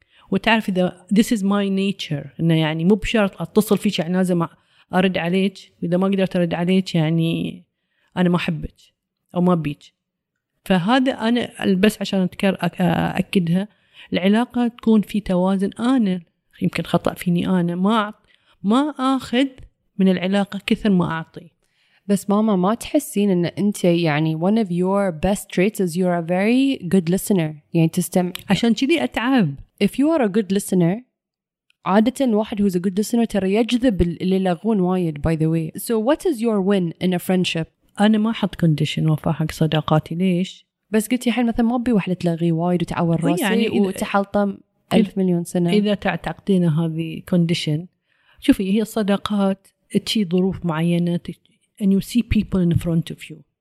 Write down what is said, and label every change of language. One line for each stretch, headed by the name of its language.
Arabic: وتعرف إذا
English: this is my nature،
Arabic: إنه يعني مو بشرط أتصل فيك يعني لازم أرد عليك، وإذا ما قدرت أرد عليك يعني أنا ما أحبك أو ما أبيك. فهذا أنا بس عشان أكدها، العلاقة تكون في توازن. أنا يمكن خطأ فيني، أنا ما أخذ من العلاقة كثر ما أعطي. بس ماما ما تحسين أن أنت يعني
English: one of your best traits is you're a very good listener،
Arabic: يعني تستمع. عشان كذي أتعب.
English: If you are a good listener،
Arabic: عادة واحد
English: who's a good listener
Arabic: ترى يجذب اللي لغون وايد.
English: By the way، so what is your win in a friendship؟
Arabic: أنا ما حط condition وفا حق صداقاتي. ليش؟ بس قلت يا حين مثلا ما بي واحدة تلغي وايد وتعور راسي يعني وتحلطم ألف مليون سنة. إذا تعتقدين هذه condition، شوفي هي الصداقات تشي ظروف معينة،
English: and you see people in front of you.